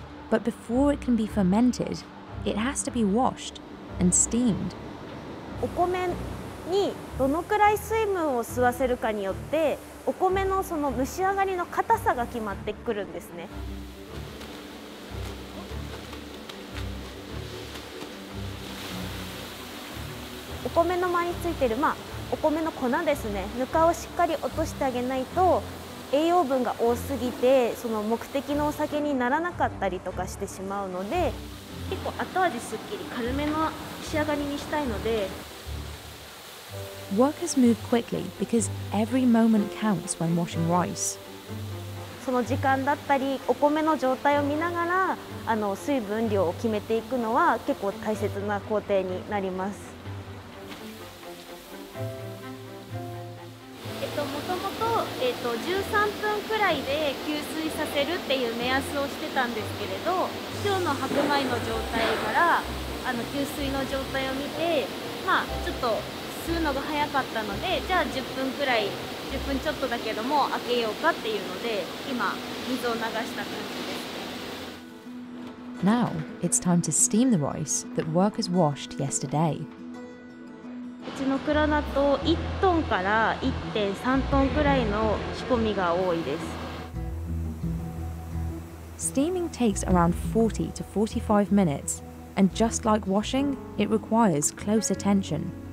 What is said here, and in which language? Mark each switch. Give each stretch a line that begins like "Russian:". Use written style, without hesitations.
English: But before it can be fermented, it has to be washed and steamed.
Japanese: お米にどのくらい水分を吸わせるかによって、お米のその蒸し上がりの硬さが決まってくるんですね。お米の周りについてる、まあ、お米の粉ですね。ぬかをしっかり落としてあげないと、栄養分が多すぎて、その目的のお酒にならなかったりとかしてしまうので、結構後味すっきり、軽めの仕上がりにしたいので、
English: Workers move quickly because every moment counts when washing rice.
Japanese: その時間だったり、お米の状態を見ながら、あの水分量を決めていくのは結構大切な工程になります。もともと、13分くらいで吸水させるっていう目安をしてたんですけれど、今日の白米の状態からあの吸水の状態を見て、まあ、ちょっと吸うのが早かったので、じゃあ10分くらい、10分ちょっとだけども開けようかっていうので、今水を流した感じです。
English: Now, it's time to steam the rice that workers washed yesterday.
Japanese: うちの蔵だと1トンから 1.3 トンくらいの仕込みが多いです。
English: Steaming takes around 40 to 45 minutes, and just like washing, it requires close attention.